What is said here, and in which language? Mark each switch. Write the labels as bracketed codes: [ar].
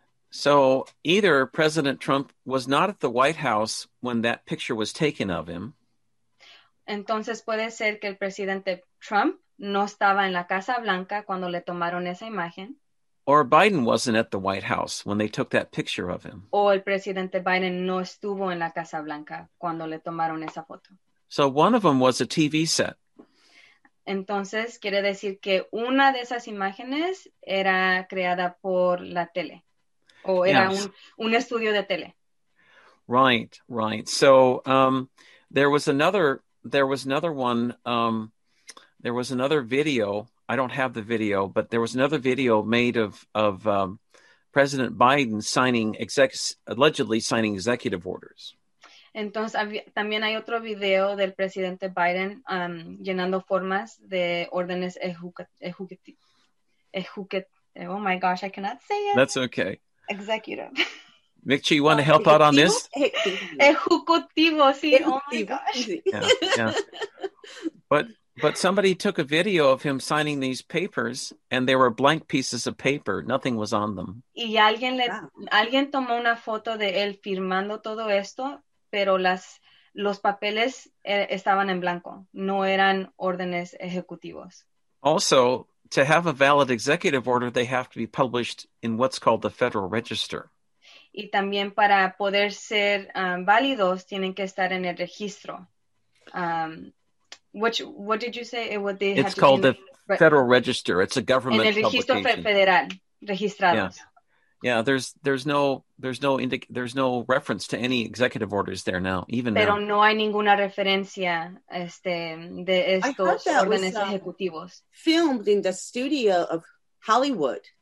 [en] So either President Trump was not at the White House when that picture was taken of him. [es] Entonces puede ser que el presidente Trump no estaba en la Casa Blanca cuando le tomaron esa imagen. [en] Or Biden wasn't at the White House when they took that picture of him. [es] O el presidente Biden no estuvo en la Casa Blanca cuando le tomaron esa foto. [en] So one of them was a TV set. [es] Entonces quiere decir que una de esas imágenes era creada por la tele. O era un estudio de tele. [en] Right, right. So there was another one. There was another video. I don't have the video, but there was another video made of President Biden allegedly signing executive orders. [es] Entonces, también hay otro video del presidente Biden llenando formas de órdenes ejecutivas. [en] Oh my gosh, I cannot say it. That's okay. Executive. Mikchi, you want to help out on this? [es] Ejecutivo, sí. Ejecutivo. [en] Oh my gosh. Yeah. But somebody took a video of him signing these papers, and there were blank pieces of paper. Nothing was on them. [es] Y alguien tomó una foto de él firmando todo esto, pero los papeles estaban en blanco. No eran órdenes ejecutivos. [en] Also, to have a valid executive order, they have to be published in what's called the Federal Register. [es] Y también para poder ser válidos, tienen que estar en el registro. [en] What did you say? It's called the Federal Register. It's a government publication. [es] En el registro federal, registrados. [en] Yeah, yeah. There's no reference to any executive orders there now, even [es] pero [en] now. [es] Pero no hay ninguna referencia de estos órdenes ejecutivos. [en] Filmed in the studio of Hollywood.